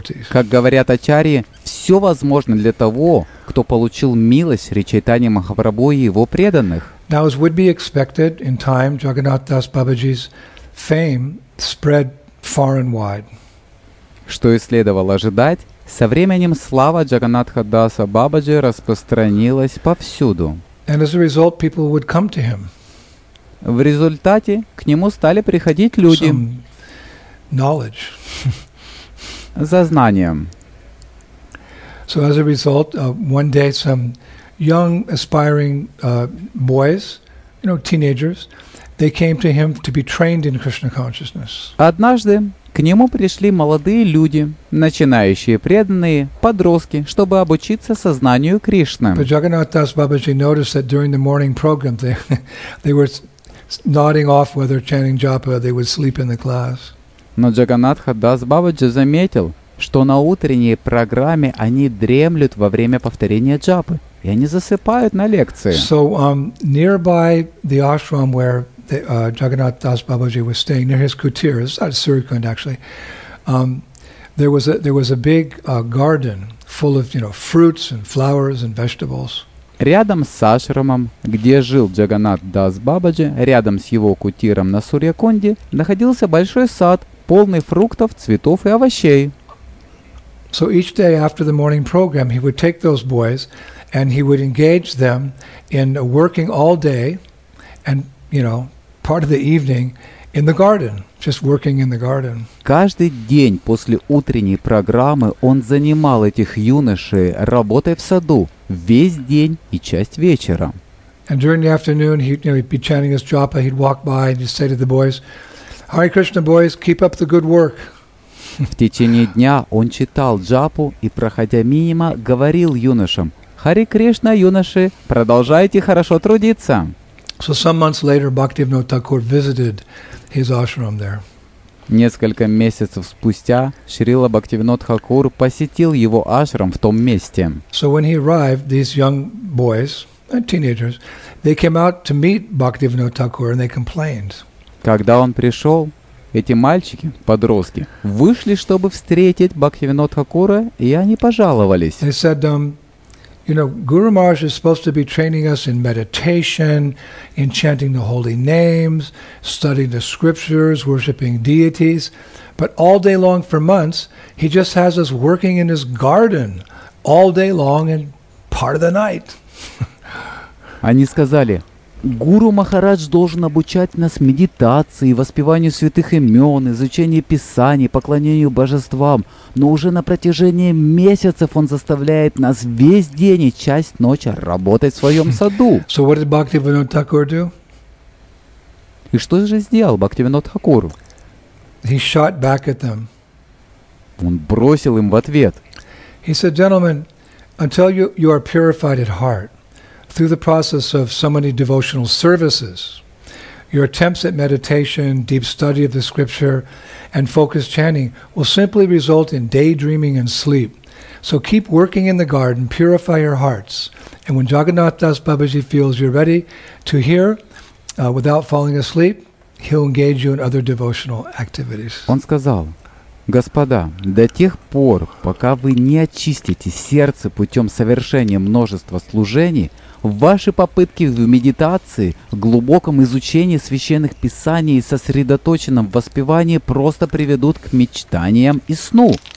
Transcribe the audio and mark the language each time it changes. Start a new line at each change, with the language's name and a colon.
Russian: Как говорят ачарьи, все возможно для того, кто получил милость Шри Чайтаньи Махапрабху и его преданных.
English: Now, as would be expected, in time, Jagannath Das Babaji's fame spread far and wide.
Russian: Что и следовало ожидать, со временем слава Джаганнатха Даса Бабаджи распространилась повсюду.
English: And as a result, people would come to him.
Russian: В результате к нему стали приходить люди.
English: Some knowledge.
Russian: За знанием.
English: So as a result, one day some young aspiring boys, you know, teenagers, they came to him to be trained in Krishna consciousness.
Russian: Однажды к нему пришли молодые люди, начинающие преданные, подростки, чтобы обучиться сознанию Кришны.
English: But Jagannath Das Babaji noticed that during the morning program they were nodding off while they're chanting japa, they would sleep in the class.
Russian: Но Джаганнатха Дас Бабаджи заметил, что на утренней программе они дремлют во время повторения джапы, и они засыпают на лекции.
English: So nearby the ashram where Jagannath Das Babaji was staying near his kutir, it's not Surikund actually. There was a big garden full of, you know, fruits and flowers and vegetables.
Russian: Рядом с ашрамом, где жил Джаганнат Дас Бабаджи, рядом с его кутиром на Сурьякунде, находился большой сад, полный фруктов, цветов и овощей.
English: So each day after the morning program, he would take those boys and he would engage them in working all day and, you know, part of the evening in the garden, just working in the garden.
Russian: Каждый день после утренней программы он занимал этих юношей работой в саду весь день и часть вечера.
English: And during the afternoon, he'd be chanting his japa. He'd walk by and just say to the boys, "Hare Krishna, boys, keep up the good work."
Russian: В течение дня он читал джапу и, проходя мимо, говорил юношам: "Хари Кришна, юноши, продолжайте хорошо трудиться."
English: So some months later, Bhaktivinoda Thakur visited his ashram there.
Russian: Несколько месяцев спустя Шрила Бхактивинода Тхакур посетил его ашрам в том месте.
English: So when he arrived, these young boys, teenagers, they came out to meet Bhaktivinoda Thakur and they complained.
Russian: Когда он пришел, эти мальчики, подростки, вышли, чтобы встретить Бхактивинода Тхакура, и они пожаловались.
English: They said, you know, Guru Maharaj is supposed to be training us in meditation, in chanting the holy names, studying the scriptures, worshipping deities. But all day long for months, he just has us working in his garden all day long and part of the night.
Russian: Они сказали: Гуру Махарадж должен обучать нас медитации, воспеванию святых имен, изучению писаний, поклонению божествам, но уже на протяжении месяцев он заставляет нас весь день и часть ночи работать в своем саду.
English: So what did Bhaktivinoda Thakur do?
Russian: И что же сделал Бхактивинод Хакур?
English: He shot back at them.
Russian: Он бросил им в ответ.
English: He said, gentlemen, until you are purified at heart through the process of so many devotional services, your attempts at meditation, deep study of the scripture, and focused chanting will simply result in daydreaming and sleep. So keep working in the garden, purify your hearts, and when Jagannath Das Babaji feels you're ready to hear without falling asleep, he'll engage you in other devotional activities.
Russian: Он сказал: «Господа, до тех пор, пока вы не очистите сердце путем совершения множества служений, ваши попытки в медитации, в глубоком изучении священных писаний и сосредоточенном воспевании просто приведут к мечтаниям и сну.